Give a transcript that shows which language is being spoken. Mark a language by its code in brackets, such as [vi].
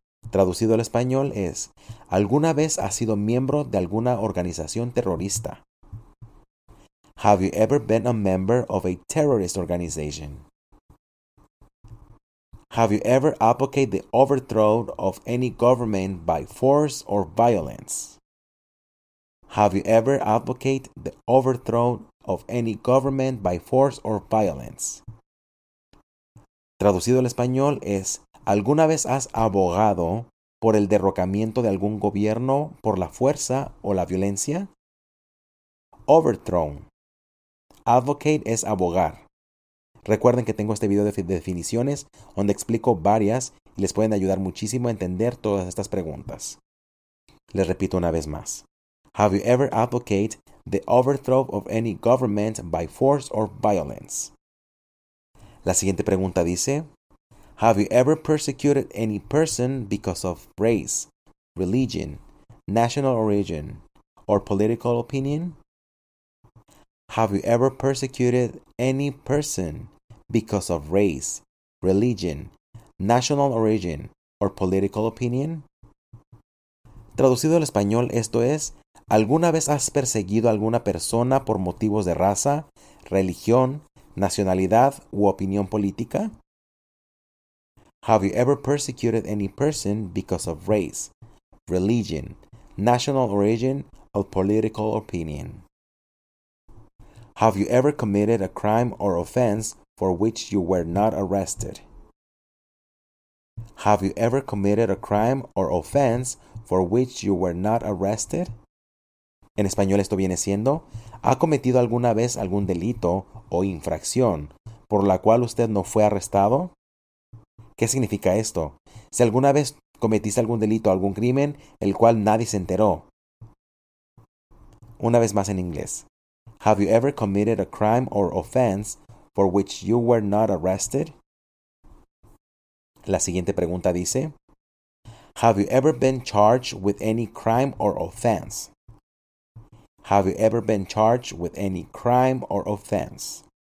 [es] Traducido al español es, ¿alguna vez has sido miembro de alguna organización terrorista? [en] Have you ever been a member of a terrorist organization? Have you ever advocated the overthrow of any government by force or violence? Have you ever advocated the overthrow of any government by force or violence? [es] Traducido al español es, ¿alguna vez has abogado por el derrocamiento de algún gobierno por la fuerza o la violencia? Overthrown. Advocate es abogar. Recuerden que tengo este video de definiciones donde explico varias y les pueden ayudar muchísimo a entender todas estas preguntas. Les repito una vez más. [en] Have you ever advocated the overthrow of any government by force or violence? [es] La siguiente pregunta dice, [en] have you ever persecuted any person because of race, religion, national origin, or political opinion? Have you ever persecuted any person because of race, religion, national origin, or political opinion? [es] Traducido al español, esto es, ¿alguna vez has perseguido a alguna persona por motivos de raza, religión, nacionalidad u opinión política? [en] Have you ever persecuted any person because of race, religion, national origin, or political opinion? Have you ever committed a crime or offense for which you were not arrested? Have you ever committed a crime or offense for which you were not arrested? [es] En español esto viene siendo, ¿ha cometido alguna vez algún delito o infracción por la cual usted no fue arrestado? ¿Qué significa esto? Si alguna vez cometiste algún delito o algún crimen el cual nadie se enteró. Una vez más en inglés. [en] Have you ever committed a crime or offense for which you were not arrested? [es] La siguiente pregunta dice, [en] Have you ever been charged with any crime or offense? Have you ever been charged with any crime or offense?